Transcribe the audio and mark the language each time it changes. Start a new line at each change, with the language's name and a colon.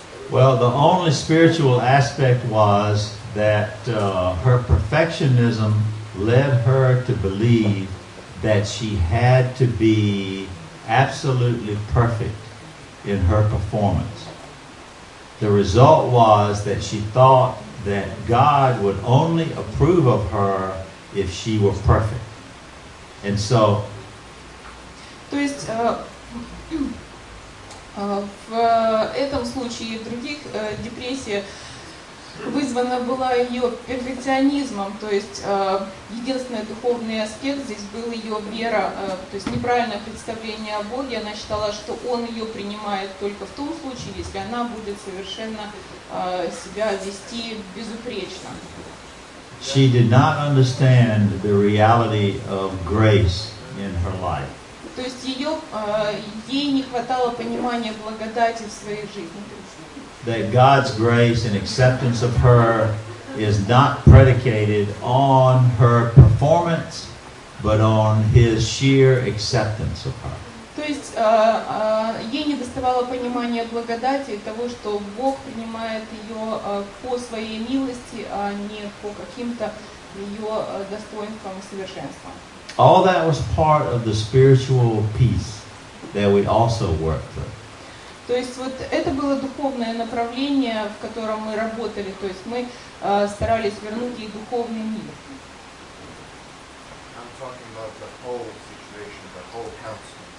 English: Well, the only spiritual aspect was that her perfectionism led her to believe that she had to be absolutely perfect in her performance. The result was that she thought that God would only approve of her if she were perfect. And so...
Russian: То есть, в этом случае и в других депрессия вызвана была ее перфекционизмом, то есть единственный духовный аспект здесь был ее вера, то есть неправильное представление о Боге. Она считала, что он ее принимает только в том случае, если она будет совершенно себя вести безупречно.
English: She did not understand the reality of grace in her life.
Russian: То есть ей не хватало понимания благодати в своей жизни.
English: That God's grace and acceptance of her is not predicated on her performance, but on His sheer acceptance of her.
Russian: То есть ей не доставало понимания благодати того, что Бог принимает ее по своей милости, а не по каким-то ее достоинствам и совершенствам.
English: All that was part of the spiritual peace that we also work through.
Russian: То есть вот это было духовное направление, в котором мы работали. То есть мы старались вернуть ей духовный мир.
English: I'm talking about the whole situation, the whole council.